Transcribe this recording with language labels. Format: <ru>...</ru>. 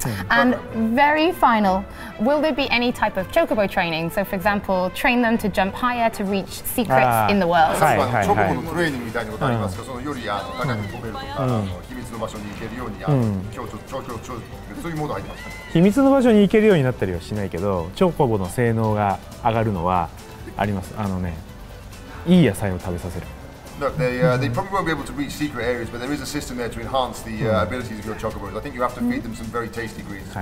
<en>And very final, will there be any type of chocobo training? So for example, train them to jump higher to reach secrets in the world.</en> <ja>はいはいはい。チョコボのトレーニングみたいなことありますか？そのより高く飛べるとか、秘密の場所に行けるように、そういうモード入ってます。秘密の場所に行けるようになったりはしないけど、チョコボの性能が上がるのはあります。いい野菜を食べさせる。</ja> <en>Look, they probably won't be able to reach secret areas, but there is a system there to enhance the abilities of your chocobos. I think you have to feed them some very tasty greens.</en>